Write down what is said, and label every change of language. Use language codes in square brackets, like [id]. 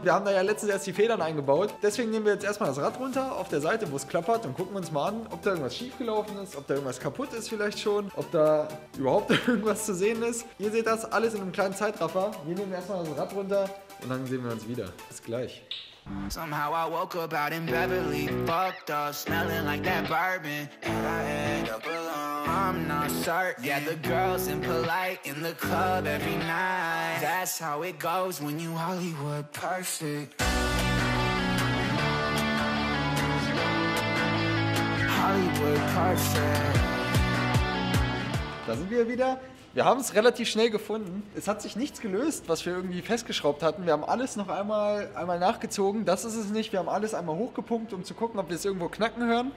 [de] Wir haben da ja letztens erst die Federn eingebaut. Deswegen nehmen wir jetzt erstmal das Rad runter auf der Seite, wo es klappert und gucken uns mal an, ob da irgendwas schiefgelaufen ist, ob da irgendwas kaputt ist vielleicht schon, ob da überhaupt irgendwas zu sehen ist. Ihr seht das alles in einem kleinen Zeitraffer. Wir nehmen erstmal das Rad runter und dann sehen wir uns wieder. Bis gleich. [en] Somehow I woke up out in Beverly, fucked up, smelling like that bourbon. And I end up alone, I'm not certain. Yeah, the girls impolite in the club every night. That's how it goes when you Hollywood perfect. Hollywood perfect. [de] Da sind wir wieder. Wir haben es relativ schnell gefunden. Es hat sich nichts gelöst, was wir irgendwie festgeschraubt hatten. Wir haben alles noch einmal nachgezogen. Das ist es nicht. Wir haben alles einmal hochgepumpt, um zu gucken, ob wir es irgendwo knacken hören.